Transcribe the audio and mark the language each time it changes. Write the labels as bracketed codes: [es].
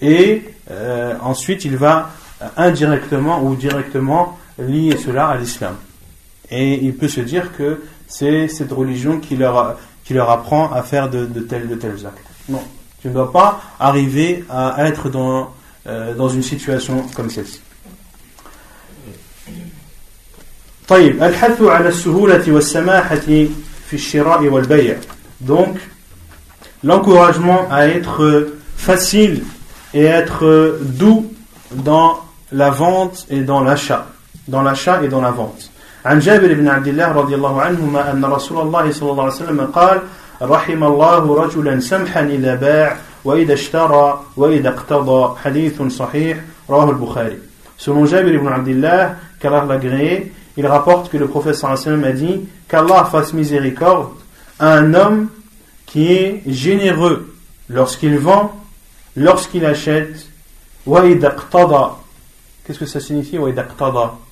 [fr] Et ensuite, il va indirectement ou directement lier cela à l'islam. Et il peut se dire que c'est cette religion qui leur apprend à faire de tels actes. Non, tu ne dois pas arriver à être dans une situation comme celle-ci. [ar] طيب الحث على السهولة والسماحة في الشراء والبيع. [fr] Donc l'encouragement à être facile et être doux dans la vente et dans l'achat. Dans l'achat et dans la vente. [ar] عن جابر بن عبد الله رضي الله عنهما أن رسول الله صلى الله عليه وسلم قال رحم الله رجلا سمحا إذا باع وإذا اشترى وإذا اقتضى حديث صحيح رواه البخاري. [fr] Selon Jabir ibn Abdillah, qu'Allah l'agréé, il rapporte que le prophète [ar] sallallahu alayhi wa sallam [fr] a dit qu'Allah fasse miséricorde à un homme qui est généreux lorsqu'il vend, lorsqu'il achète. [ar] وَإِذَا اقْتَضَى. [fr] Qu'est-ce que ça signifie [ar] وَإِذَا اقْتَضَى?